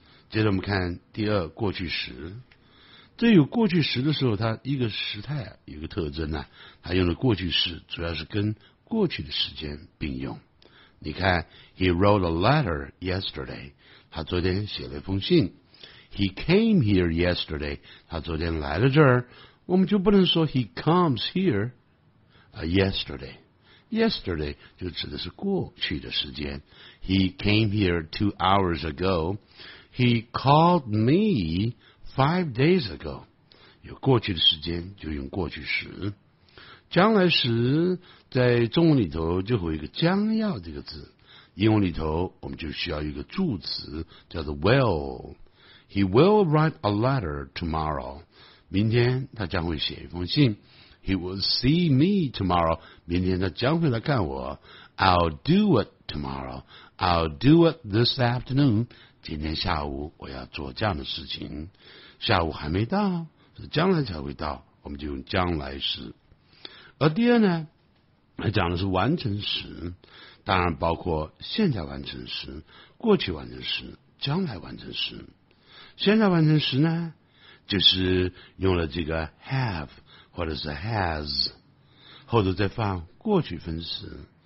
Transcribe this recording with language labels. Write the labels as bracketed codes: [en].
[zh] 接着我们看第二，过去时，这有过去时的时候，它一个时态有一个特征呢，它用的过去式主要是跟过去的时间并用。 [en] 你看 He wrote a letter yesterday， [zh] 他昨天写了一封信。 [en] He came here yesterday， [zh] 他昨天来了这儿。我们就不能说 [en] He comes here yesterday， [zh] Yesterday 就指的是过去的时间。 [en] He came here 2 hours ago. He called me 5 days ago. [zh] 有过去的时间就用过去时。将来时在中文里头就会有一个将要这个字，英文里头我们就需要一个助词叫做 will。 [en] He will write a letter tomorrow， [zh] 明天他将会写一封信。 [en] He will see me tomorrow， [zh] 明天他将会来看我。 [en] I'll do it tomorrow， I'll do it this afternoon， [zh] 今天下午我要做这样的事情。下午还没到，是将来才会到，我们就用将来时。而第二呢，他讲的是完成时，当然包括现在完成时、过去完成时、将来完成时。现在完成时呢，就是用了这个 have或者是 has， 后头再放过去分词。